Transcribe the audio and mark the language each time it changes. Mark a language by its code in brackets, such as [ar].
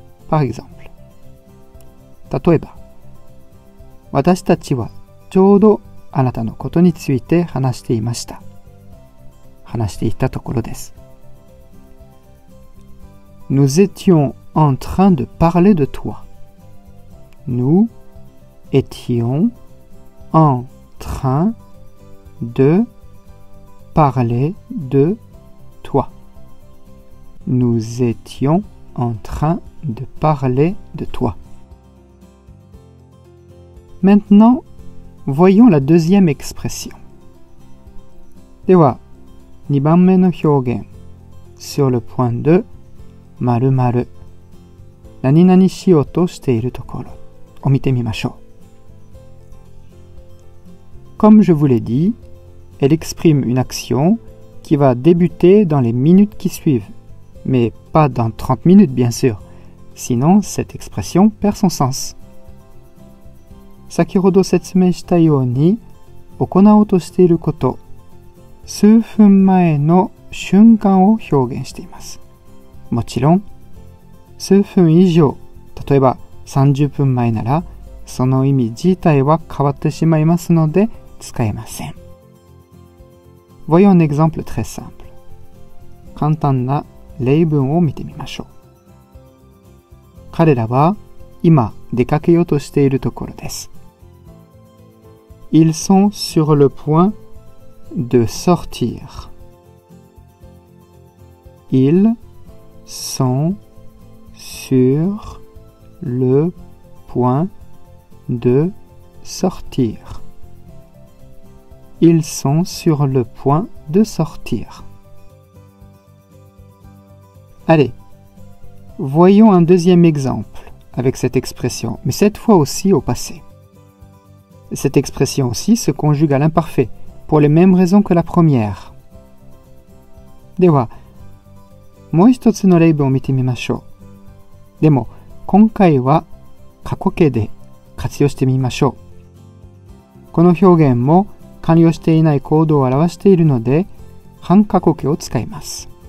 [fr] Par exemple, [ja] 例えば、私たちはちょうどあなたのことについて話していました。話していたところです。 [fr] Nous étions en train de parler de toi. Nous étions en train de parler de toi. Nous étions en train de parler de toi. Maintenant, voyons la deuxième expression. [ja] では、2番目の表現。 [fr] Sur le point de, ○○ [ja] 何々しようとしているところを見てみましょう。 [fr] Comme je vous l'ai dit, elle exprime une action qui va débuter dans les minutes qui suivent. Mais pas dans 30 minutes, bien sûr. Sinon, cette expression perd son sens. [ja] 先ほど説明したように、行おうとしていること、数分前の瞬間を表現しています。もちろん、数分以上、例えば30分前なら、その意味自体は変わってしまいますので、使えません。 [fr] Voyons un exemple très simple. [ja] 簡単な例文を見てみましょう。彼らは今出かけようとしているところです。 [fr] Ils sont sur le point de sortir. Ils sont sur le point de sortir. Ils sont sur le point de sortir. Allez, voyons un deuxième exemple avec cette expression, mais cette fois aussi au passé. Cette expression aussi se conjugue à l'imparfait pour les mêmes raisons que la première. [ja] では、もう一つの例文を見てみましょう。でも、今回は過去形で活用してみましょう。この表現も完了していない行動を表しているので、半過去形を使います。